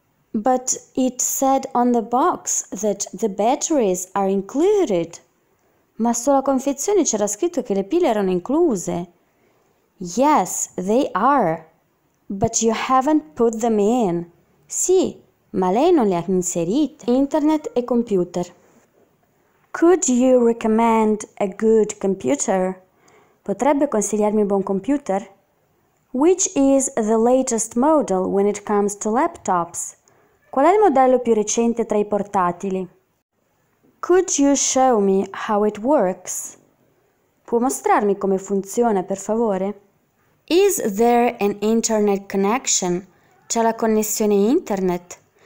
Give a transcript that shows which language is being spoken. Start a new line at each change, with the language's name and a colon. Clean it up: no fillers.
English: But it said on the box that the batteries are included.
Italian: Ma sulla confezione c'era scritto che le pile erano incluse.
English: Yes, they are. But you haven't put them in.
Italian: Sì. Ma lei non le ha inserite. Internet e computer.
English: Could you recommend a good computer?
Italian: Potrebbe consigliarmi un buon computer?
English: Which is the latest model when it comes to laptops?
Italian: Qual è il modello più recente tra i portatili?
English: Could you show me how it works?
Italian: Può mostrarmi come funziona, per favore?
English: Is there an internet connection?
Italian: C'è la connessione internet?